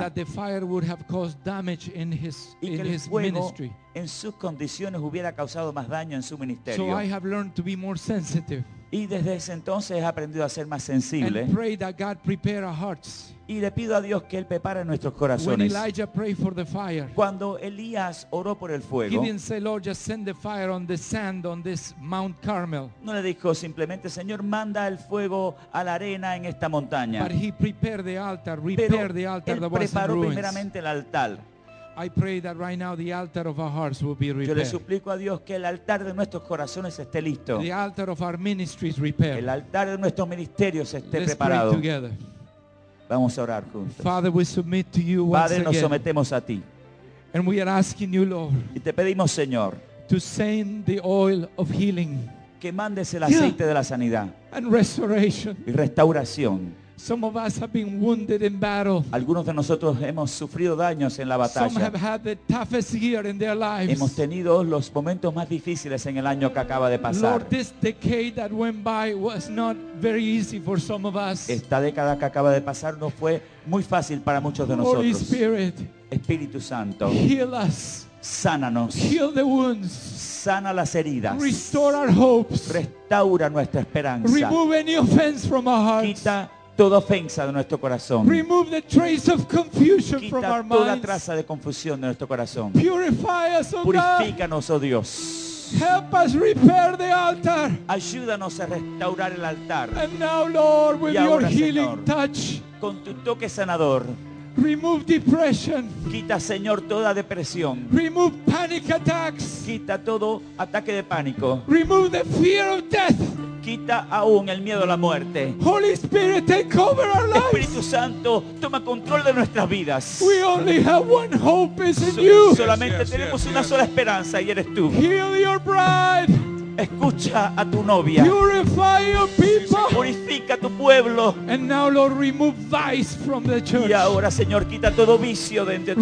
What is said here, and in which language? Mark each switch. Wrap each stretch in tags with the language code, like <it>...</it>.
<en>And that the fire would have caused damage in his,</en> <es>y que</es> <en>in</en> <es>el</es> <en>his</en> <es>fuego</es> <en>ministry.</en> <es>En sus condiciones hubiera causado más daño en su ministerio.</es> <en>So I have learned to be more sensitive.</en> <es>Y desde ese entonces he aprendido a ser más sensible.</es> <en>And pray that God prepare our hearts.</en> <es>Y le pido a Dios que Él prepare nuestros corazones.</es> <en>When Elijah prayed for the fire,</en> <es>cuando Elías oró por el fuego,</es> <en>he didn't say, Lord, just send the fire on the sand on this Mount Carmel.</en> <es>No le dijo simplemente, Señor, manda el fuego a la arena en esta montaña.</es> <en>But he prepared the altar, prepared the altar that was in ruins.</en> <es>Pero él preparó primeramente el altar.</es> <en>I pray that right now the altar of our hearts will be repaired.</en> <es>Yo le suplico a Dios que el altar de nuestros corazones esté listo.</es> <en>The altar of our ministries repaired.</en> <es>El altar de nuestros ministerios esté</es> <en>Let's</en> <es>preparado.</es> <en>Pray together.</en> <es>Vamos a orar juntos.</es> <en>Father, we submit to you once</en> <es>Padre, nos</es> <en>again.</en> <es>Sometemos a ti.</es> <en>And we are asking you, Lord,</en> <es>y te pedimos, Señor,</es> <en>to send the oil of healing.</en> <es>Que mandes el aceite de la sanidad.</es> <en>And restoration.</en> <es>Y restauración.</es> <en>Some of us have been wounded in battle.</en> <es>Algunos de nosotros hemos sufrido daños en la batalla.</es> <en>Some have had the toughest year in their lives.</en> <es>Hemos tenido los momentos más difíciles en el año que acaba de pasar.</es> <en>Lord, this decade that went by was not very easy for some of us.</en> <es>Esta década que acaba de pasar no fue muy fácil para muchos de nosotros.</es> <en>Holy Spirit,</en> <es>Espíritu Santo,</es> <en>heal us.</en> <es>Sánanos.</es> <en>Heal the wounds.</en> <es>Sana las heridas.</es> <en>Restore our hopes.</en> <es>Restaura nuestra esperanza.</es> <en>Remove any offense from our hearts.</en> <es>Quita toda ofensa de nuestro corazón.</es> <en>Remove the trace of confusion</en> <es>quita</es> <en>from our</en> <es>toda</es> <en>minds.</en> <es>Traza de confusión de nuestro corazón.</es> <en>Purify us, oh</en> <es>purifícanos,</es> <en>God.</en> <es>Oh Dios.</es> <en>Help us repair the altar.</en> <es>Ayúdanos a restaurar el altar.</es> <en>And now, Lord, with</en> <es>ahora, Señor,</es> <en>healing touch,</en> <es>con tu toque sanador,</es> <en>remove depression.</en> <es>Quita, Señor, toda depresión.</es> <en>Remove panic attacks.</en> <es>Quita todo ataque de pánico.</es> <en>Remove the fear of death.</en> <es>Quita aún el miedo a la muerte.</es> <en>Holy Spirit, take over our lives.</en> <es>Espíritu Santo, toma control de nuestras vidas.</es> <en>We only have one hope, it's in you.</en> <es>Solamente tenemos una sola esperanza y eres tú.</es> <en>Heal your bride.</en> <es>Escucha a tu novia.</es> <en>Purify your people.</en> <es>Purifica tu pueblo.</es> <en>And now, Lord, remove vice from the church.</en> <es>Y ahora, Señor, quita todo vicio de entre tu</es>